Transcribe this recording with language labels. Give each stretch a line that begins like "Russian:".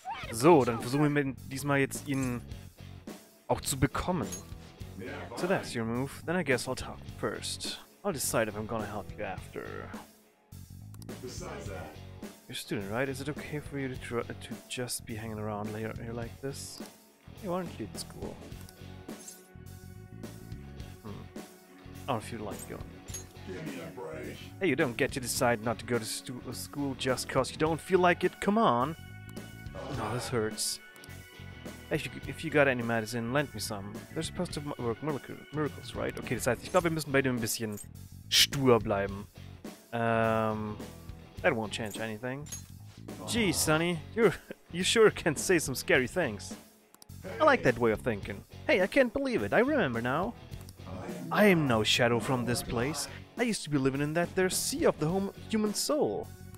German: So, dann versuchen wir diesmal jetzt ihn auch zu bekommen.
English: So that's your move, then I guess I'll talk first. I'll decide if I'm gonna help you after. You're a student, right? Is it okay for you to just be hanging around here like this? Hey, why aren't you at school? I don't feel like going. Give me a break. Hey, you don't get to decide not to go to school just cause you don't feel like it. Come on. Oh, this hurts. Hey, if you got any medicine, lend me some. They're supposed to work miracles, right?
German: Okay, das heißt, ich glaube, wir müssen bei dem ein bisschen stur bleiben.
English: That won't change anything. Gee, Sonny, you sure can say some scary things. Hey. I like that way of thinking. Hey, I can't believe it. I remember now. I am no shadow from this place. I used to be living in that there sea of the home human soul.